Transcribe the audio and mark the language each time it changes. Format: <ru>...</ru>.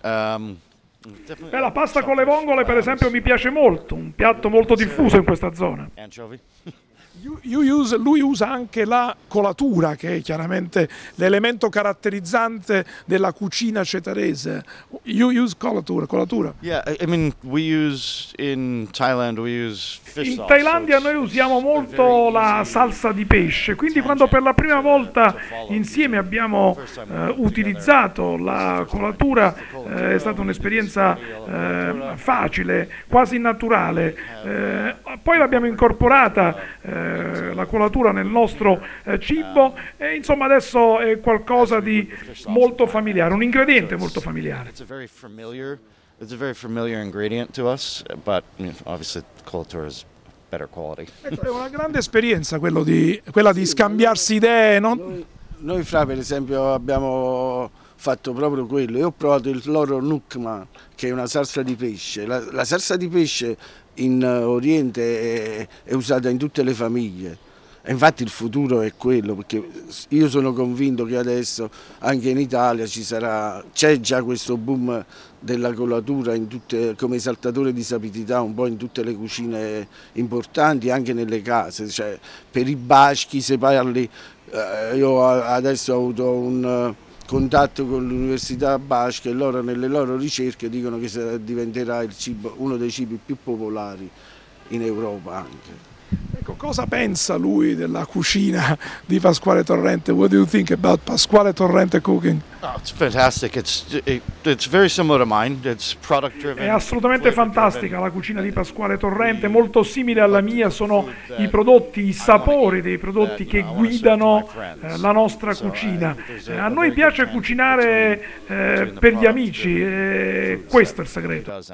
<it>La pasta con le vongole, per esempio, mi piace molto, un piatto molto diffuso in questa zona.</it> <en>Anchovy.</en> <it>Lui usa anche la colatura, che è chiaramente l'elemento caratterizzante della cucina cetarese.</it> <en>You use colatura? Yeah, I mean, we use in Thailand, we use fish</en> <it>in Thailandia noi usiamo molto la salsa di pesce, quindi quando per la prima volta insieme abbiamo utilizzato la colatura è stata un'esperienza facile, quasi naturale. Poi l'abbiamo incorporata la colatura nel nostro cibo e insomma adesso è qualcosa di molto familiare, un ingrediente molto familiare.</it> <en>It's a very familiar ingredient to us, but obviously colatura is better quality.</en> <it>È una grande esperienza quella di scambiarsi idee, no? Noi fra per esempio abbiamo fatto proprio quello, io ho provato il loro nukma, che è una salsa di pesce. La salsa di pesce in Oriente è usata in tutte le famiglie, e infatti il futuro è quello, perché io sono convinto che adesso anche in Italia c'è già questo boom della colatura come saltatore di sapidità un po' in tutte le cucine importanti, anche nelle case, cioè per i baschi, se parli, io adesso ho avuto un contatto con l'università basca e loro nelle loro ricerche dicono che diventerà il cibo, uno dei cibi più popolari in Europa anche. Ecco, cosa pensa lui della cucina di Pasquale Torrente?</it> <en>What do you think about Pasquale Torrente cooking? Oh, it's fantastic. It's very similar to mine. It's product driven.</en> <it>È assolutamente fantastica la cucina di Pasquale Torrente, molto simile alla mia. Sono i prodotti, i sapori dei prodotti che guidano la nostra cucina. A noi piace cucinare per gli amici, questo è il segreto.</it>